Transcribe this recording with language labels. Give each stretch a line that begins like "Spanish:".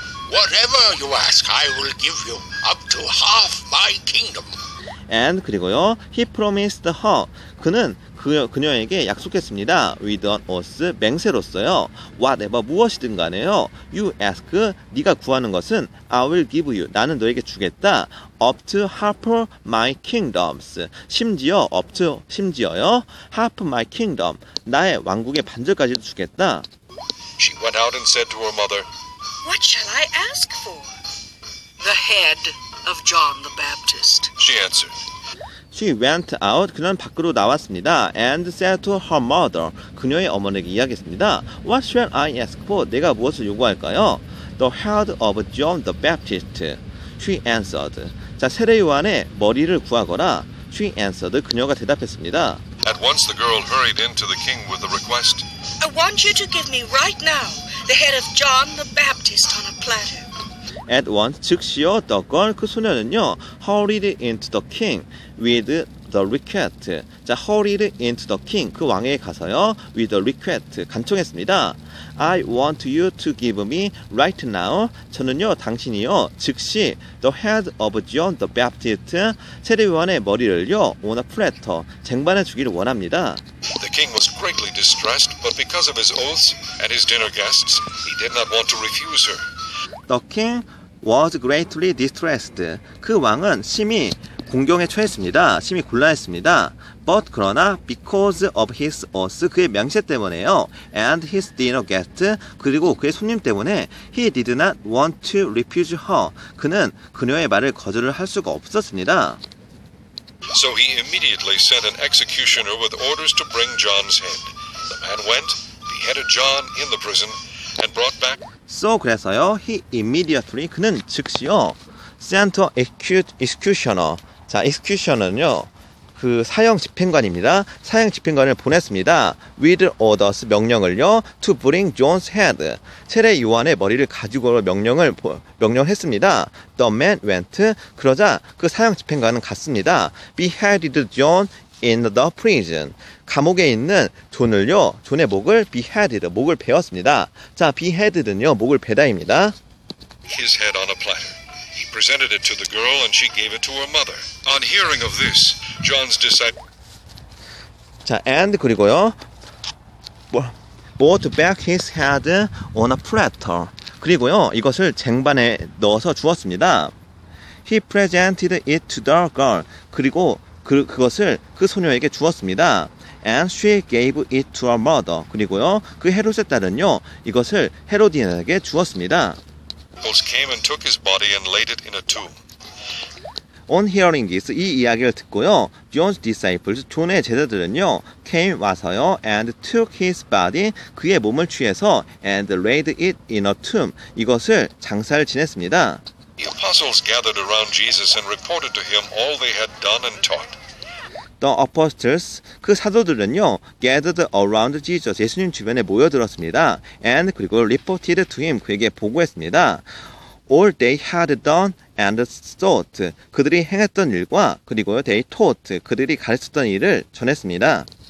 English: Whatever you ask, I will give you up to half my kingdom. And
Korean: 그리고요,
English: he promised her.
Korean: 그는 그녀에게 약속했습니다.
English: With an oath,
Korean: 맹세로써요.
English: Whatever,
Korean: 무엇이든 간에요.
English: You ask,
Korean: 네가 구하는 것은
English: I will give you.
Korean: 나는 너에게 주겠다.
English: Up to half my kingdoms.
Korean: 심지어,
English: up to,
Korean: 심지어요.
English: Half my kingdom.
Korean: 나의 왕국의 반절까지도 주겠다.
English: She went out and said to her mother, What shall I ask for? The head of John the Baptist. She answered. She went out.
Korean: 그녀는 밖으로 나왔습니다.
English: And said to her mother.
Korean: 그녀의 어머니에게 이야기했습니다.
English: What shall I ask for?
Korean: 내가 무엇을 요구할까요?
English: The head of John the Baptist. She answered.
Korean: 자, 세례 요한의 머리를 구하거라.
English: She answered.
Korean: 그녀가 대답했습니다.
English: At once the girl hurried into the king with the request. I want you to give me right now the head of John the Baptist on a platter. At once,
Korean: 즉시요,
English: the girl,
Korean: 그 소녀는요,
English: hurried into the king with the request. 자, hurried into the king,
Korean: 그 왕에게 가서요,
English: with the request,
Korean: 간청했습니다.
English: I want you to give me right now.
Korean: 저는요, 당신이요, 즉시
English: the head of John the Baptist,
Korean: 세례요한의 머리를요,
English: on a platter,
Korean: 쟁반에 주기를 원합니다.
English: The king was greatly distressed, but because of his oaths and his dinner guests, he did not want to refuse her. The king was greatly distressed.
Korean: 그 왕은 심히 공경에 처했습니다. 심히 곤란했습니다.
English: But
Korean: 그러나
English: because of his oaths,
Korean: 그의 맹세 때문에요.
English: And his dinner guest,
Korean: 그리고 그의 손님 때문에
English: he did not want to refuse her.
Korean: 그는 그녀의 말을 거절을 할 수가 없었습니다.
English: So he immediately sent an executioner with orders to bring John's head. The man went, beheaded John in the prison, and brought back... So,
Korean: 그래서요,
English: he immediately,
Korean: 그는 즉시요,
English: sent an executioner.
Korean: 자, executioner는요, 그 사형 집행관입니다. 사형 집행관을 보냈습니다.
English: With orders,
Korean: 명령을요,
English: to bring John's head.
Korean: 세례 요한의 머리를 가지고 명령했습니다.
English: The man went,
Korean: 그러자 그 사형 집행관은 갔습니다.
English: Beheaded John in the prison.
Korean: 감옥에 있는 존을요, 존의 목을
English: beheaded,
Korean: 목을 베었습니다. 자, beheaded는요, 목을 베다입니다.
English: His head on a platter. He presented it to the girl and she gave it to her mother. On hearing of this, John's disciple... 자, and
Korean: 그리고요,
English: brought back his head on a platter.
Korean: 그리고요, 이것을 쟁반에 넣어서 주었습니다.
English: He presented it to the girl.
Korean: 그리고 그것을 그 소녀에게 주었습니다.
English: And she gave it to her mother.
Korean: 그리고요, 그 헤롯의 딸은요, 이것을 헤로디아에게 주었습니다.
English: Came and took his body and laid it in a tomb. On hearing this,
Korean: 이 이야기를 듣고요,
English: John's disciples,
Korean: 존의 제자들은요,
English: came
Korean: 와서요,
English: and took his body,
Korean: 그의 몸을 취해서,
English: and laid it in a tomb.
Korean: 이것을 장사를 지냈습니다.
English: The apostles gathered around Jesus and reported to him all they had done and taught. The apostles,
Korean: 그 사도들은요,
English: gathered around Jesus,
Korean: 예수님 주변에 모여들었습니다.
English: And
Korean: 그리고
English: reported to him,
Korean: 그에게 보고했습니다.
English: All they had done and thought,
Korean: 그들이 행했던 일과 그리고
English: they taught,
Korean: 그들이 가르쳤던 일을 전했습니다.